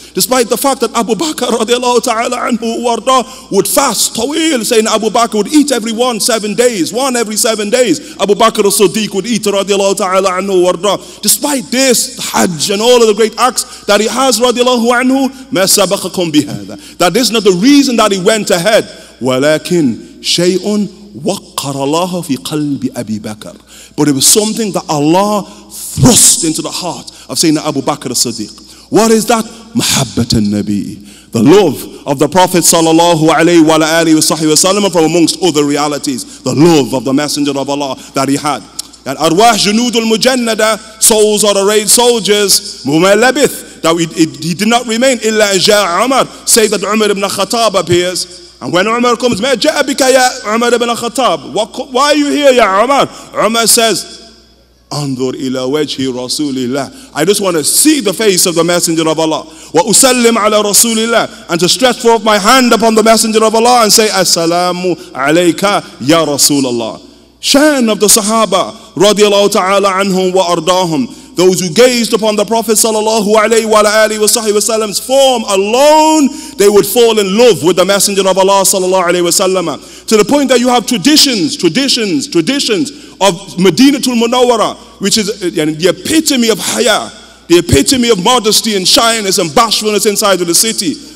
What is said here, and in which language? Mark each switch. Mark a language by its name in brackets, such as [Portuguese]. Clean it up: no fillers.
[English] Despite the fact that Abu Bakr radiallahu ta'ala anhu warda would fast tawil, saying Abu Bakr would eat every 1 7 days, 1 every 7 days. Abu Bakr al-Siddiq would eat radiallahu ta'ala anhu warda. Despite this, the Hajj and all of the great acts that he has radiallahu anhu, [Arabic] ما سبقكم بهذا. [English] That this is not the reason that he went ahead. [Arabic] ولكن شيء وقر الله في قلب أبي بكر. [English] But it was something that Allah thrust into the heart of Sayyidina Abu Bakr as-Siddiq. What is that? Mahabbat al-Nabi. The love of the Prophet sallallahu alayhi wa sahbihi wa sallam, from amongst other realities. The love of the Messenger of Allah that he had. That arwah junud al-mujannada, souls are arrayed soldiers. Mumalabith, that he did not remain illa ja' Umar, say that Umar ibn Khattab appears. And when Umar comes, [Arabic] ما جاء بك يا عمر بن الخطاب? [English] Why are you here, [Arabic] يا عمر? [English] Umar says, [Arabic] انظر إلى وجه رسول الله. [English] I just want to see the face of the Messenger of Allah. [Arabic] وأسلم على رسول الله. [English] And to stretch forth my hand upon the Messenger of Allah and say, [Arabic] السلام عليك يا رسول الله. [English] Shan of the Sahaba, [Arabic] رضي الله تعالى عنهم وأرضاهم. [English] Those who gazed upon the Prophet sallallahu alayhi wa alayhi wa sahbihi wa sallam's form alone, they would fall in love with the Messenger of Allah sallallahu alayhi wa sallam. To the point that you have traditions of Madinatul Munawwara, which is the epitome of haya, the epitome of modesty and shyness and bashfulness inside of the city.